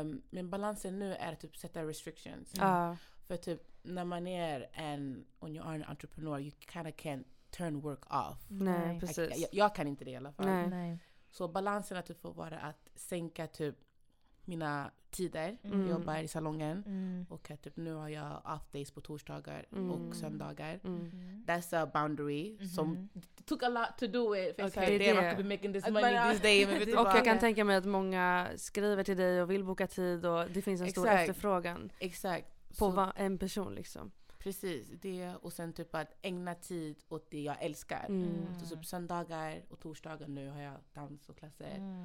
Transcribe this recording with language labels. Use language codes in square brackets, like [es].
[sv] Men balansen nu är att typ sätta restrictions. För typ när man är en, [en] when you are an entrepreneur, you kind of can't turn work off. [sv] Precis. Jag kan inte det i alla fall. Nej. Så balansen att typ får vara att sänka typ mina tider, jag jobbar i salongen och att typ nu har jag off days på torsdagar och söndagar. [en] That's a boundary som took a lot to do it. Okay, like, damn, I could be making this money this day. [sv] Och jag kan tänka mig att många skriver till dig och vill boka tid och det finns en stor efterfrågan. Exakt. På en person liksom. Precis, det och sen typ att ägna tid åt det jag älskar. Så typ söndagar och torsdagar nu har jag dans och klasser.